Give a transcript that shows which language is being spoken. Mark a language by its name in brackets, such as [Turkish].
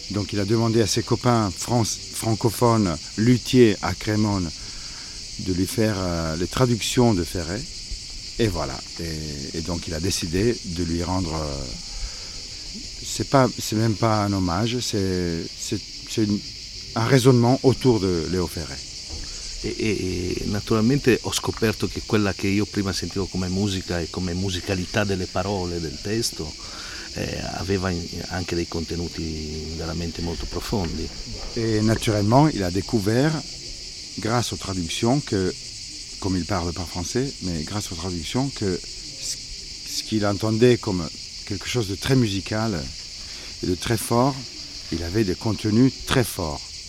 [French] Donc il a demandé à ses copains francophones luthiers à Crémone de lui faire les traductions de Ferré. Et voilà. Et donc il a décidé de lui rendre... c'est même pas un hommage, c'est un raisonnement autour de Léo Ferré. [Italian] E naturalmente ho scoperto che quella che io prima sentivo come musica e come musicalità delle parole, del testo, aveva anche dei contenuti veramente molto profondi. E naturalmente [French] il ha découvert, grâce aux traductions, [Italian] che, come [French] il parle par français, [Italian] ma [French] grâce aux traductions, [Italian] che [French] ce qu'il entendait [Italian] come [French] quelque chose de très musical et de très fort, il avait des contenus très forts.